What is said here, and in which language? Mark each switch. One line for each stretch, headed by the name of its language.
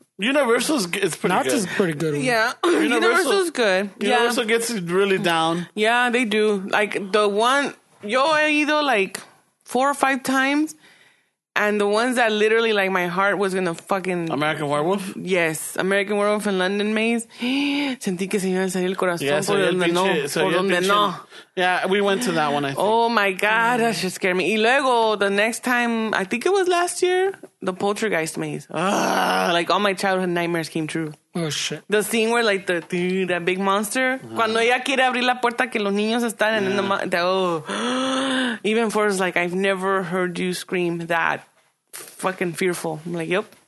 English: Universal's is pretty Knott's good. Knott's is pretty good. Yeah. Universal's good. Yeah. Universal gets really down. Yeah, they do. Like, the one,
Spanish: yo he ido
English: like 4 or 5 times. And the ones that literally, like, my heart was going to fucking... American Werewolf? Yes. American Werewolf and London Maze.
Spanish: Sentí que se iba a salir el corazón por donde no. Por donde no.
English: Yeah, we went to that one, I think. Oh, my God. That should scare me.
Spanish: Y luego,
English: the next time, I think it was last year, the Poltergeist Maze. Like, all my childhood nightmares came true. Oh, shit. The scene where, like, the big monster.
Spanish: Cuando ella quiere abrir la puerta que los niños están en
English: Even for us, like, I've never heard you scream that fucking fearful. I'm like, yep.